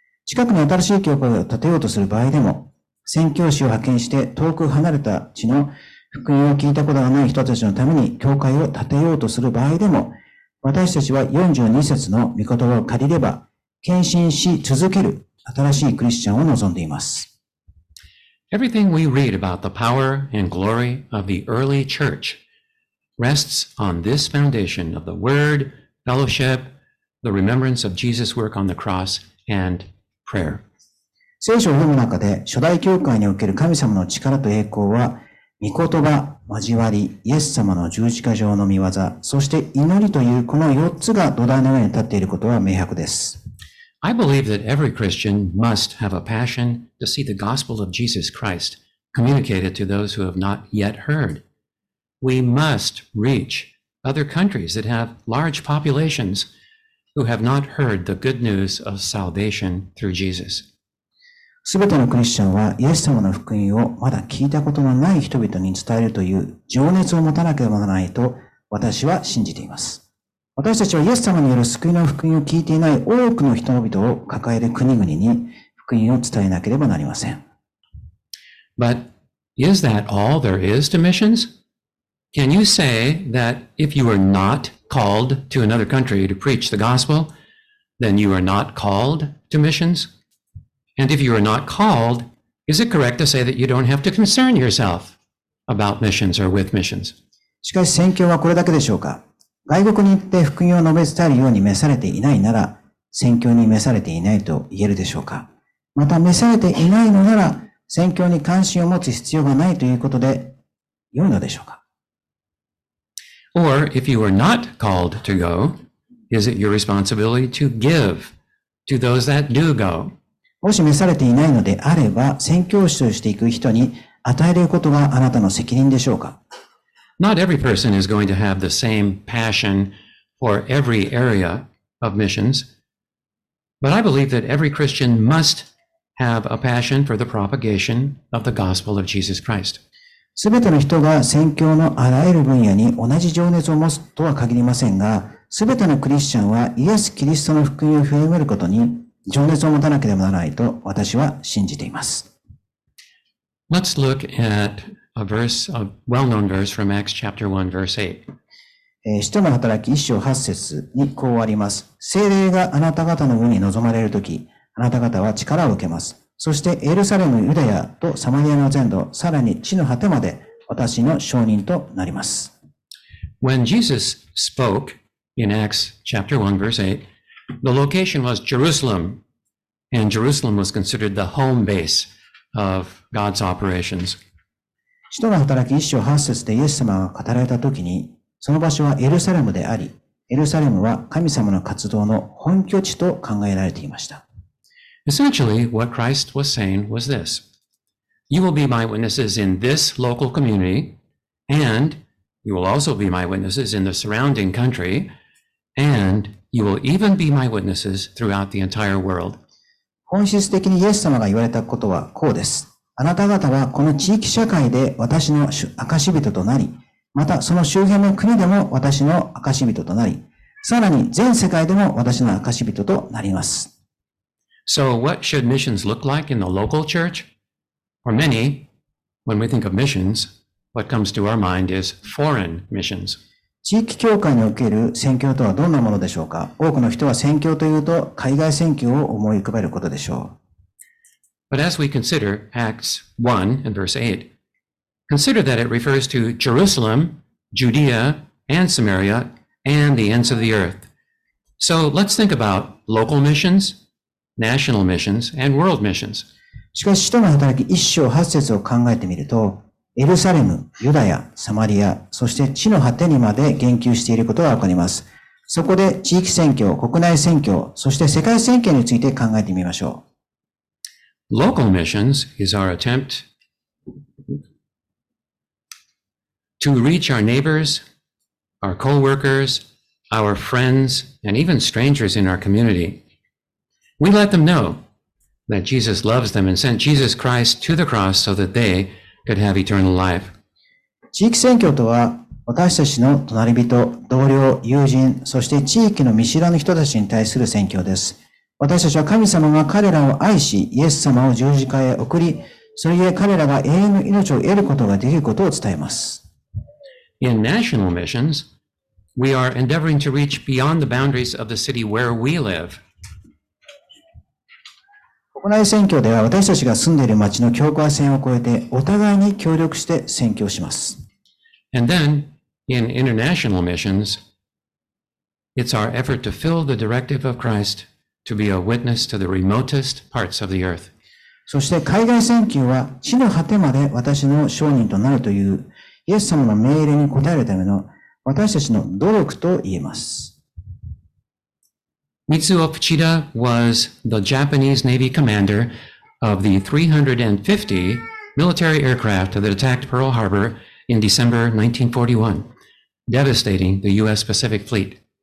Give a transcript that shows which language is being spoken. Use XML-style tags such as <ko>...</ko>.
<ja>近くに新しい教会を建てようとする場合でも、宣教師を派遣して遠く離れた地の福音を聞いたことがない人たちのために教会を建てようとする場合でも、私たちは42節の御言葉を借りれば、献身し続ける新しいクリスチャンを望んでいます。</ja> <en>Everything we read about the power and glory of the early church rests on this foundation of the word, fellowship, the remembrance of Jesus' work on the cross, and prayer.</en> <ja>聖書を読む中で、初代教会における神様の力と栄光は、御言葉、交わり、イエス様の十字架上の御業、そして祈りというこの4つが土台の上に立っていることは明白です。</ja> <en>I believe that every Christian must have a passion to see the gospel of Jesus Christ communicated to those who have not yet heard. We must reach other countries that have large populations who have not heard the good news of salvation through Jesus.</en> <ja>すべてのクリスチャンはイエス様の福音をまだ聞いたことのない人々に伝えるという情熱を持たなければならないと私は信じています。私たちはイエス様による救いの福音を聞いていない多くの人々を抱える国々に福音を伝えなければなりません。</ja> <en>But is that all there is to missions? Can you say that if you are not called to another country to preach the gospel, then you are not called to missions? And if you are not called, is it correct to say that you don't have to concern yourself about missions or with missions?</en> <ja>しかし宣教はこれだけでしょうか。外国に行って福音を述べ伝えるように召されていないなら、宣教に召されていないと言えるでしょうか。また召されていないのなら、宣教に関心を持つ必要がないということで良いのでしょうか。</ja> <en>Or if you are not called to go, is it your responsibility to give to those that do go?</en> <ja>もし召されていないのであれば、宣教師としていく人に与えることがあなたの責任でしょうか。</ja> <en>Not every person is going to have the same passion for every area of missions, but I believe that every Christian must have a passion for the propagation of the gospel of Jesus Christ.</en> <ja>すべての人が宣教のあらゆる分野に同じ情熱を持つとは限りませんが、すべてのクリスチャンはイエス・キリストの福音を広めることに情熱を持たなければならないと私は信じています。</ja> <en>Let's look at a verse, a well-known verse from Acts chapter 1, verse 8.</en> <ja>使徒の働き一章八節にこうあります。聖霊があなた方の上に臨まれるとき、あなた方は力を受けます。そしてエルサレム、ユダヤとサマリアの全土、さらに地の果てまで私の証人となります。</ja> <en>When Jesus spoke in Acts chapter 1, verse 8, The location was Jerusalem, and Jerusalem was considered the home base of God's operations.</en> <ja>使徒の働き一章八節でイエス様が語られたときに、その場所はエルサレムであり、エルサレムは神様の活動の本拠地と考えられていました。</ja> <en>Essentially, what Christ was saying was this. You will be my witnesses in this local community, and you will also be my witnesses in the surrounding country, and You will even be my witnesses throughout the entire world.</en> <ja>本質的にイエス様が言われたことはこうです。あなた方はこの地域社会で私の証人となり、またその周辺の国でも私の証人となり、さらに全世界でも私の証人となります。</ja> <en>So what should missions look like in the local church? For many, when we think of missions, what comes to our mind is foreign missions.</en> <ja>地域教会における宣教とはどんなものでしょうか。多くの人は宣教というと海外宣教を思い浮かべることでしょう。</ja> <en>But as we consider Acts 1 and verse 8, consider that it refers to Jerusalem, Judea, and Samaria, and the ends of the earth. So let's think about local missions, national missions, and world missions.</en> <ja>しかし、使徒の働き一章八節を考えてみると、エルサレム、ユダヤ、サマリア、そして地の果てにまで言及していることがわかります。そこで地域選挙、国内選挙、そして世界選挙について考えてみましょう。</ja> <en>Local missions is our attempt to reach our neighbors, our co-workers, our friends, and even strangers in our community. We let them know that Jesus loves them and sent Jesus Christ to the cross so that they could have eternal life.</en> <ja>地域宣教とは、私たちの隣人、同僚、友人、そして地域の見知らぬ人たちに対する宣教です。私たちは神様が彼らを愛し、イエス様を十字架へ送り、それゆえ彼らが永遠の命を得ることができることを伝えます。</ja> <en>In national missions, we are endeavoring to reach beyond the boundaries of the city where we live.</en> <ja>国内選挙では私たちが住んでいる町の境界線を越えてお互いに協力して選挙します。</ja> <en>And then, in international missions, it's our effort to fill the directive of Christ to be a witness to the remotest parts of the earth.</en> <ja>そして海外宣教は地の果てまで私の証人となるというイエス様の命令に応えるための私たちの努力と言えます。</ja> <en>Mitsuo Fuchida was the Japanese Navy commander of the 350 military aircraft that attacked Pearl Harbor in December 1941, devastating the US Pacific Fleet.</en>